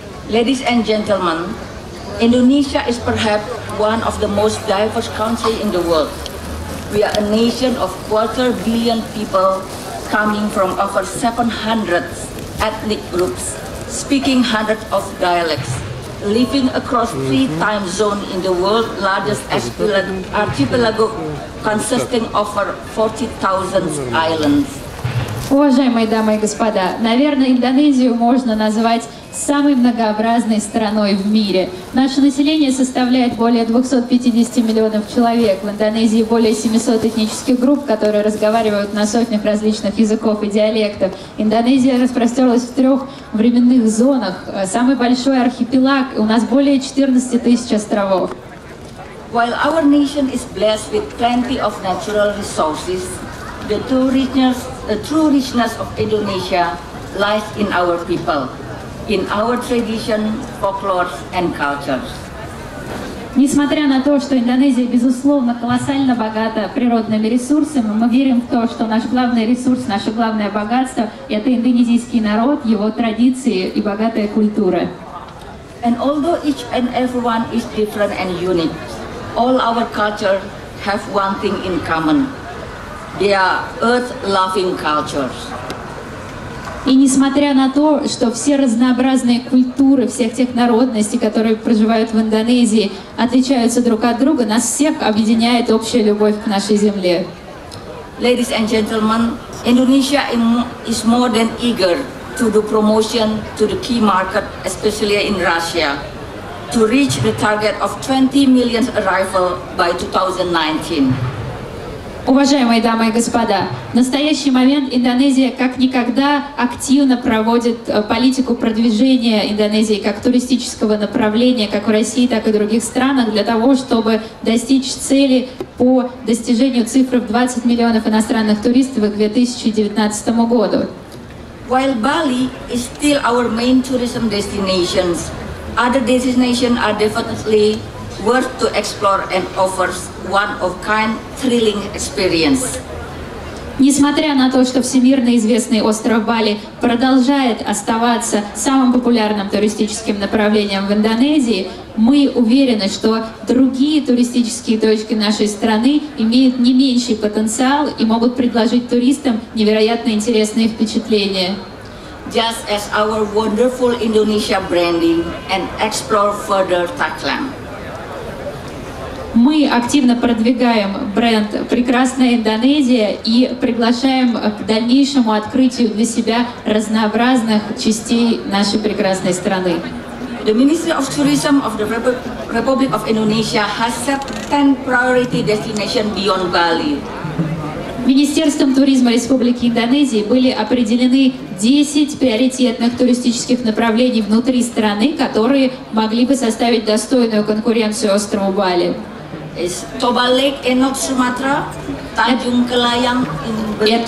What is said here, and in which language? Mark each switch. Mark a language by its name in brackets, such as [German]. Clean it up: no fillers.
[English] Ladies and gentlemen, Indonesia is perhaps one of the most diverse countries in the world. We are a nation of 250 million people coming from over 700 ethnic groups, speaking hundreds of dialects, living across three time zones in the world's largest archipelago consisting of over 40,000 islands. [Russian] Уважаемые дамы и господа, наверное, Индонезию можно назвать самой многообразной страной в мире. Наше население составляет более 250 миллионов человек. В Индонезии более 700 этнических групп, которые разговаривают на сотнях различных языков и диалектов. Индонезия распростерлась в трех временных зонах. Самый большой архипелаг, у нас более 14 тысяч островов. [English] While our nation is blessed with plenty of natural resources, The true richness of Indonesia lies in our people, in our tradition, folklore and cultures. [Russian] Несмотря на то, что Индонезия безусловно колоссально богата природными ресурсами, мы верим в то, что наш главный ресурс, наше главное богатство – это индонезийский народ, его традиции и богатая культура. [English] And although each and everyone is different and unique, all our cultures have one thing in common. They are earth-loving cultures. [Russian] И несмотря на то, что все разнообразные культуры всех тех народностей, которые проживают в Индонезии, отличаются друг от друга, нас всех объединяет общая любовь к нашей земле. [English] Ladies and gentlemen, Indonesia is more than eager to do promotion to the key market, especially in Russia, to reach the target of 20 million arrival by 2019. [Russian] Уважаемые дамы и господа, в настоящий момент Индонезия как никогда активно проводит политику продвижения Индонезии как туристического направления как в России, так и в других странах для того, чтобы достичь цели по достижению цифры в 20 миллионов иностранных туристов к 2019 году. [English] While Bali is still our main tourism destinations, other destinations are definitely worth to explore and offers one-of-kind thrilling experience. [Russian] Несмотря на то, что всемирно известный остров Бали продолжает оставаться самым популярным туристическим направлением в Индонезии, мы уверены, что другие туристические точки нашей страны имеют не меньший потенциал и могут предложить туристам невероятно интересные впечатления. [English] Just as our wonderful Indonesia branding and explore further Thailand. [Russian] Мы активно продвигаем бренд «Прекрасная Индонезия» и приглашаем к дальнейшему открытию для себя разнообразных частей нашей прекрасной страны. [English] The Ministry of Tourism of the Republic of Indonesia has set 10 priority destinations beyond Bali. [Russian] Министерством туризма Республики Индонезии были определены 10 приоритетных туристических направлений внутри страны, которые могли бы составить достойную конкуренцию острову Бали. [English] Toba Lake in North Sumatra, Tanjung Kelayang in Belitung.